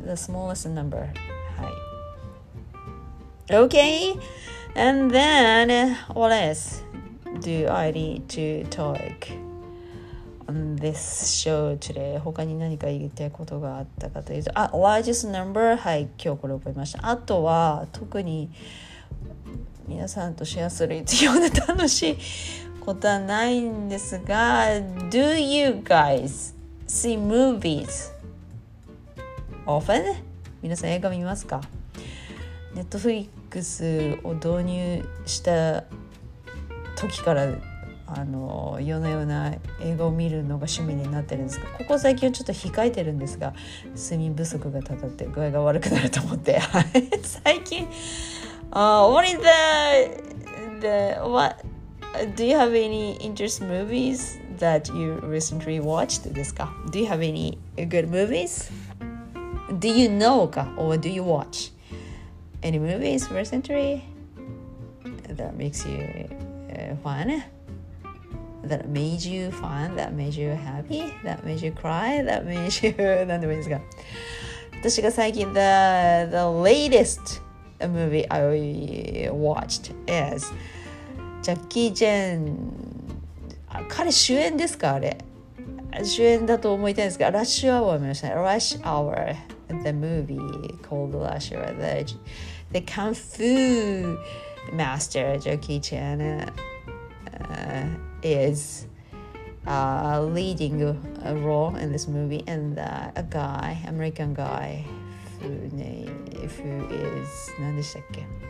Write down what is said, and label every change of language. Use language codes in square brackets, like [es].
[en] The smallest number、 はい、 Okay and then what elseDo I need to talk on this show today? [ja] 他に何か言いたいことがあったかというと、あ、 [en] largest number、 [ja] はい、今日これ覚えました。あとは特に皆さんとシェアする必要な楽しいことはないんですが、 [en] Do you guys see movies often? [ja] 皆さん映画見ますか？ Netflix を導入した時から夜な夜な映画を見るのが趣味になってるんですが、ここ最近はちょっと控えてるんですが、睡眠不足がたたって具合が悪くなると思って最近、 [en] What is the what do you have any interesting movies that you recently watched [ja] ですか。 [en] Do you have any good movies? Do you know [ja] か [en] or do you watch any movies recently that makes youfun, that made you fun, that made you happy, that made you cry, that made you [ja] 何でもいいですが、私が最近 [en] the latest movie I watched is Jackie Chan。 [ja] 彼主演ですか。あれ主演だと思いたいんですが、ラッシュアワー見ました。 [en] ラッシュアワー the movie called Rush Hour, the Kung Fu Master Jackie Chan、is a leading role in this movie, and a guy, American guy, who is [ja] 何でしたっけ、